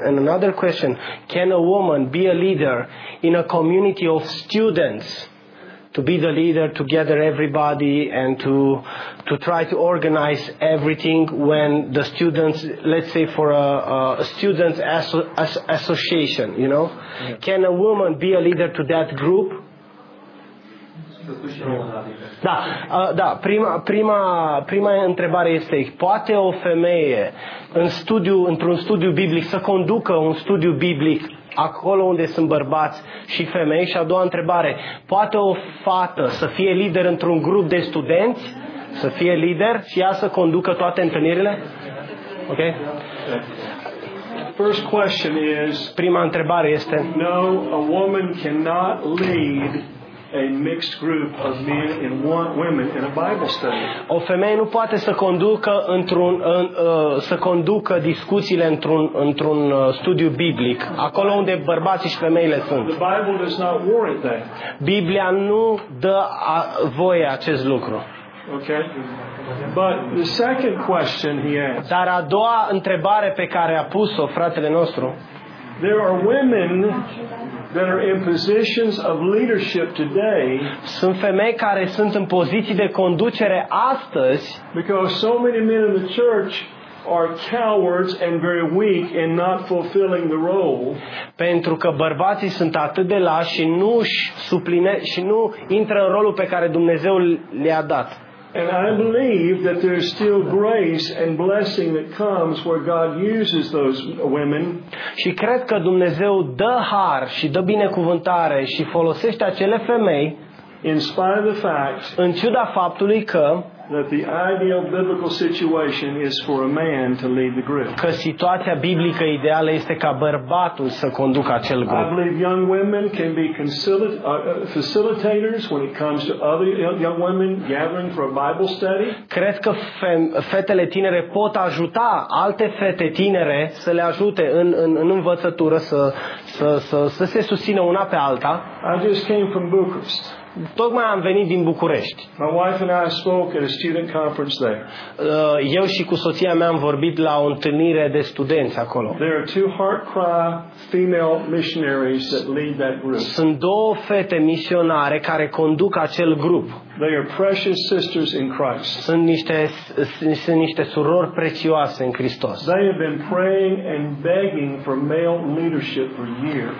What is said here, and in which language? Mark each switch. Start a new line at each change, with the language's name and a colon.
English: And another question, can a woman be a leader in a community of students to be the leader, to gather everybody and to try to organize everything when the students, let's say for a student association, you know? Yeah. Can a woman be a leader to that group?
Romanian: Da, da, prima întrebare este, poate o femeie într-un studiu biblic să conducă un studiu biblic acolo unde sunt bărbați și femei? Și a doua întrebare, poate o fată să fie lider într-un grup de studenți, să fie lider și ea să conducă toate întâlnirile? Ok?
English: First question is,
Romanian: prima întrebare este,
English: no, a woman cannot lead a mixed group of men and women in a Bible study.
Romanian: O femeie nu poate să conducă să conducă discuțiile într-un studiu biblic, acolo unde bărbații și femeile sunt.
English: The Bible does not warrant that.
Romanian: Biblia nu dă voie acest lucru.
English: Okay. But the second question he asked.
Romanian: Dar a doua întrebare pe care a pus-o fratele nostru.
English: There are women that are in positions of leadership today.
Romanian: Sunt femei care sunt în poziții de conducere astăzi.
English: Because so many men in the church are cowards and very weak and not fulfilling the role.
Romanian: Pentru că bărbații sunt atât de lași și nu își suplinesc și nu intră în rolul pe care Dumnezeu le-a dat.
English: And I believe that there's still grace and blessing that comes where God uses those women.
Romanian: Și cred că Dumnezeu dă har și dă binecuvântare și folosește acele femei.
English: In spite of the fact,
Romanian: în ciuda faptului că,
English: that the ideal biblical situation is for a man to lead the group.
Romanian: Că situația biblică ideală este ca bărbatul să conducă acel grup.
English: I believe young women can be facilitators when it comes to other young women gathering for a Bible study.
Romanian: Cred că fetele tinere pot ajuta alte fete tinere să le ajute în învățătură, să se susțină una pe alta.
English: I just came from Bucharest.
Romanian: Tocmai am venit din București.
English: My wife and I spoke at a student conference there.
Romanian: Eu și cu soția mea am vorbit la o întâlnire de studenți acolo.
English: There are two heart-cry female missionaries that lead that group.
Romanian: Sunt două fete misionare care conduc acel grup.
English: They are precious sisters in Christ.
Romanian: Sunt niște surori prețioase în Hristos.
English: They have been praying and begging for male leadership for years.